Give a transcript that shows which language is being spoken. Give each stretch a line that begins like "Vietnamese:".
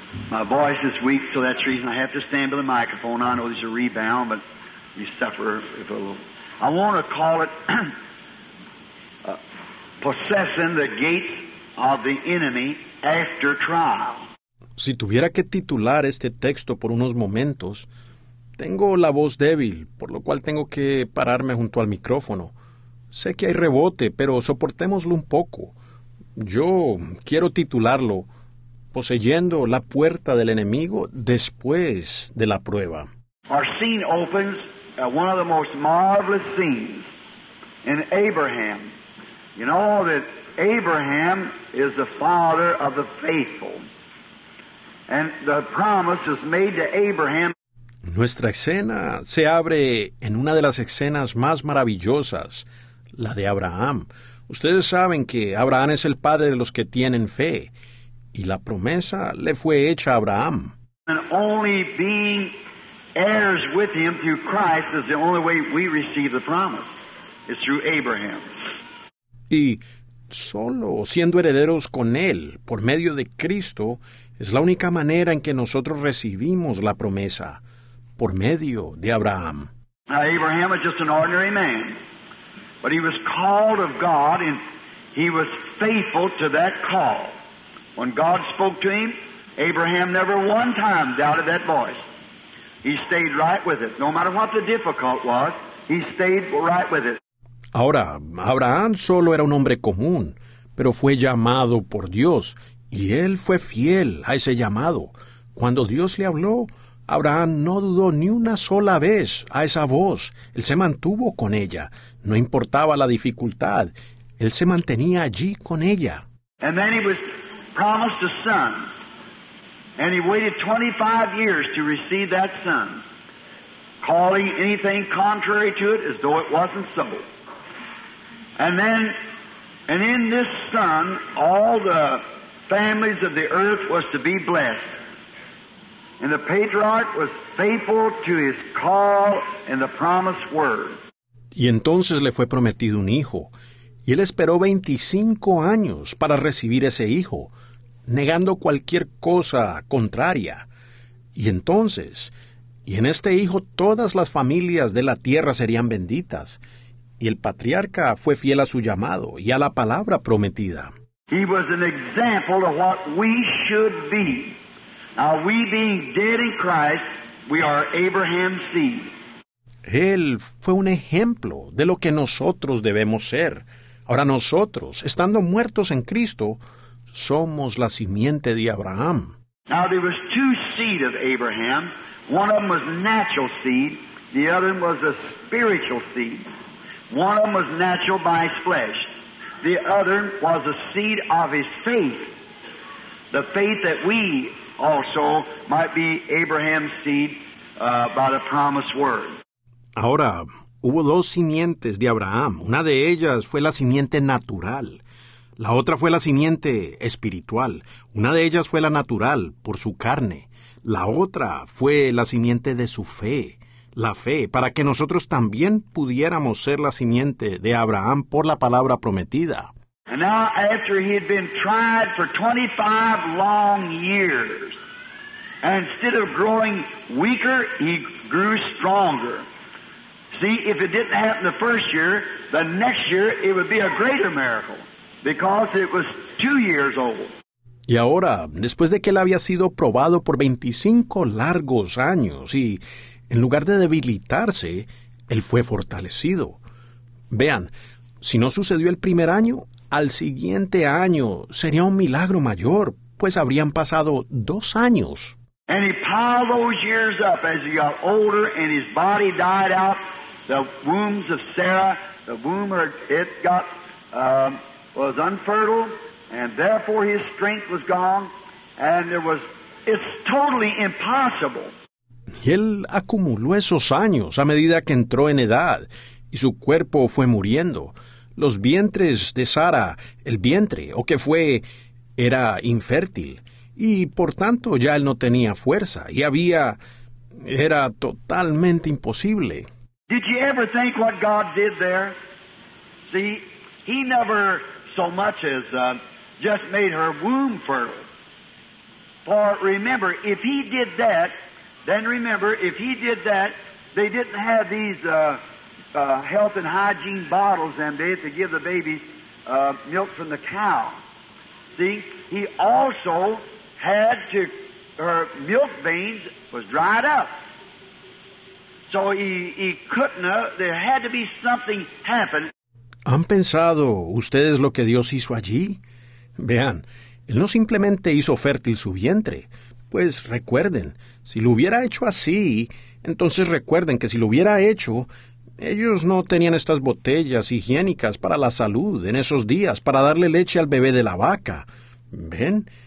English: My voice is weak, so that's the reason I have to stand by the microphone. I know there's a rebound, but you suffer if a little. I want to call it possessing the gates of the enemy after trial.
Spanish: Si tuviera que titular este texto por unos momentos, tengo la voz débil, por lo cual tengo que pararme junto al micrófono. Sé que hay rebote, pero soportémoslo un poco. Yo quiero titularlo Poseyendo la puerta del enemigo después de la prueba.
English: Our scene opens at one of the most marvelous scenes in Abraham. You know that Abraham is the father of the faithful. And the promise is made to Abraham.
Spanish: Nuestra escena se abre en una de las escenas más maravillosas, la de Abraham. Ustedes saben que Abraham es el padre de los que tienen fe, y la promesa le fue hecha a Abraham.
English: And only being heirs with him through Christ is the only way we receive the promise. It's through Abraham.
Spanish: Y solo siendo herederos con él por medio de Cristo es la única manera en que nosotros recibimos la promesa, por medio de Abraham.
English: Now, Abraham was just an ordinary man. But he was called of God, and he was faithful to that call. When God spoke to him, Abraham never one time doubted that voice. He stayed right with it. No matter what the difficult was, he stayed right with it.
Spanish: Ahora, Abraham solo era un hombre común, pero fue llamado por Dios, y él fue fiel a ese llamado. Cuando Dios le habló, Abraham no dudó ni una sola vez a esa voz. Él se mantuvo con ella. No importaba la dificultad. Él se mantenía allí con ella.
English: And then he was promised a son. And he waited 25 years to receive that son, calling anything contrary to it as though it wasn't so. And in this son, all the families of the earth was to be blessed. And the patriarch was faithful to his call and the promised word.
Spanish: Y entonces le fue prometido un hijo, y él esperó 25 años para recibir ese hijo, negando cualquier cosa contraria. Y entonces, y en este hijo todas las familias de la tierra serían benditas, y el patriarca fue fiel a su llamado y a la palabra prometida.
English: He was an example of what we should be. Now we being dead in Christ, we are Abraham's seed.
Spanish: Él fue un ejemplo de lo que nosotros debemos ser. Ahora nosotros, estando muertos en Cristo, somos la simiente de Abraham.
English: Now there was two seed of Abraham. One of them was natural seed, the other was a spiritual seed. One of them was natural by his flesh. The other was a seed of his faith. The faith that we also might be Abraham's seed by the promised word.
Spanish: Ahora, hubo dos simientes de Abraham. Una de ellas fue la simiente natural. La otra fue la simiente espiritual. Una de ellas fue la natural, por su carne. La otra fue la simiente de su fe. La fe, para que nosotros también pudiéramos ser la simiente de Abraham por la palabra prometida.
English: And now, after he had been tried for 25 long years, and instead of growing weaker, he grew stronger. See, if it didn't happen the first year, the next year it would be a greater miracle, because it was 2 years old.
Spanish: Y ahora, después de que él había sido probado por 25 largos años, y en lugar de debilitarse, él fue fortalecido. Vean, si no sucedió el primer año, al siguiente año sería un milagro mayor, pues habrían pasado 2 años.
English: And he piled those years up as he got older and his body died out. The wombs of Sarah, the womb it got, was unfertile, and therefore his strength was gone, and there was, it's totally impossible.
Spanish: Y él acumuló esos años a medida que entró en edad, y su cuerpo fue muriendo. Los vientres de Sara, el vientre, o que fue, era infértil, y por tanto ya él no tenía fuerza, y había, era totalmente imposible.
English: Did you ever think what God did there? See, he never so much as just made her womb fertile. For remember, if he did that, then remember, if he did that, they didn't have these health and hygiene bottles then, they had to give the babies milk from the cow. See, he also had to, her milk veins was dried up. So he couldn't, there had to be something happen.
Spanish: ¿Han pensado ustedes lo que Dios hizo allí? Vean, él no simplemente hizo fértil su vientre. Pues recuerden, si lo hubiera hecho así, entonces recuerden que si lo hubiera hecho, ellos no tenían estas botellas higiénicas para la salud en esos días, para darle leche al bebé de la vaca. ¿Ven?